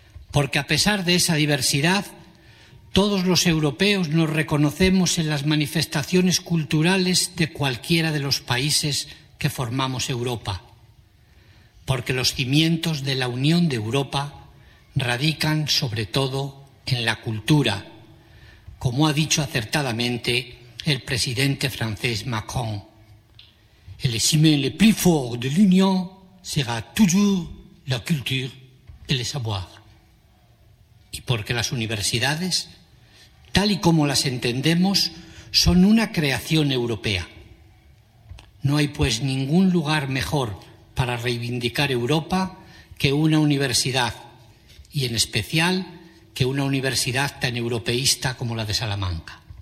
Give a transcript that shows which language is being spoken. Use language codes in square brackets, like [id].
[es] Porque a pesar de esa diversidad, todos los europeos nos reconocemos en las manifestaciones culturales de cualquiera de los países que formamos Europa, porque los cimientos de la Unión de Europa radican sobre todo en la cultura, como ha dicho acertadamente el presidente francés Macron. El cimiento [fr] le plus fort de l'Union sera toujours la culture et le savoir. [es] Y porque las universidades, tal y como las entendemos, son una creación europea. No hay, pues, ningún lugar mejor para reivindicar Europa que una universidad, y en especial que una universidad tan europeísta como la de Salamanca.